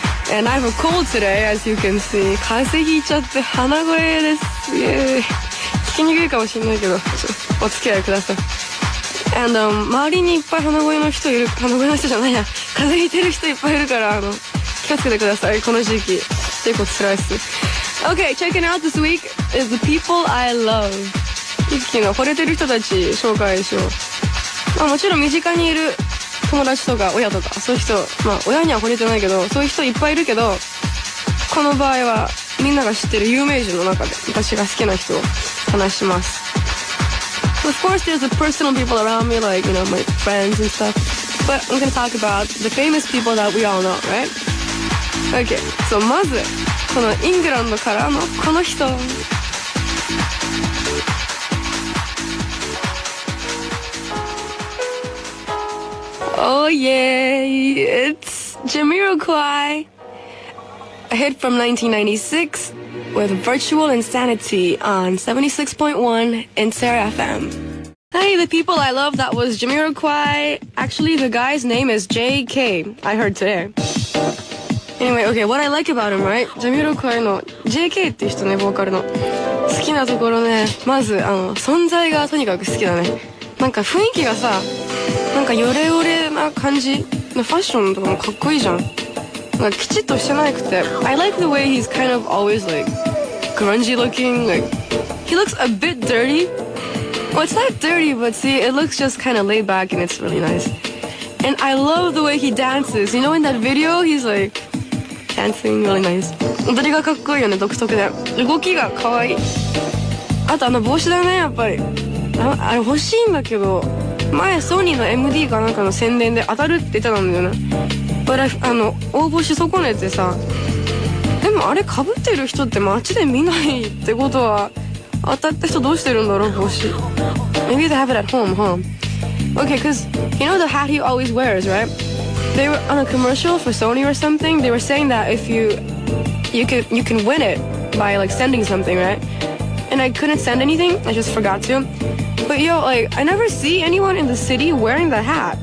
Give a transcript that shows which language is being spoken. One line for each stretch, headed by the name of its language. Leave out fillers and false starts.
English: And I have a cold today, as you can see.
Japanese: 風邪ひいちゃって鼻声です。イェーイ。聞きにくいかもしれないけど、お付き合いください。 And, 周りにいっぱい鼻声の人いる、鼻声の人じゃないや。風邪ひいてる人いっぱいいるから、気をつけてください。この時期。結構辛いっす。
English: Okay, checking out this week is the people I love.
Japanese: 一気の惚れてる人たち紹介しよう。まあもちろん身近にいる友達とか親とかそういう人、まあ親には惚れてないけど、そういう人いっぱいいるけど、この場合はみんなが知ってる有名人の中で私が好きな人を話します。
English: Of course there's the personal people around me, like, you know, my friends and stuff. But I'm gonna talk about the famous people that we all know, right? Okay, so
Japanese: まず、そのイングランドからのこの人。
English: Oh yay, it's Jamiroquai. A hit from 1996 with Virtual Insanity on 76.1 in Sarah FM. Hey, the people I love, that was Jamiroquai. Actually, the guy's name is JK, I heard today. Anyway, okay, what I like about him, right?
Japanese: Jamiroquai の JK って人ね、ボーカルの。好きなところね、まず、存在がとにかく好きだね。なんか雰囲気がさ、なんかヨレヨレな感じ。ファッションとかもかっこいいじゃん。なんかきちっとしてないくて。
English: I like the way he's kind of always like grungy looking. Like, he looks a bit dirty. Well, it's not dirty, but see, it looks just kind of laid back and it's really nice. And I love the way he dances. You know, in that video, he's like dancing really nice.
Japanese: 踊りがかっこいいよね、独特で。動きがかわいい。あとあの帽子だね、やっぱり。あれ欲しいんだけど、前ソニーの MD かなんかの宣伝で当たるって言ってたんだよね。
English: But I,
Japanese: 応募し損ねてさ。でもあれ被ってる人って街で見ないってことは、当たった人どうしてるんだろう、帽子。
English: Maybe they have it at home, huh? Okay, cause you know the hat he always wears, right? They were on a commercial for Sony or something. They were saying that if you can win it by like sending something, right? And I couldn't send anything, I just forgot to. But yo, like, I never see anyone in the city wearing the hat.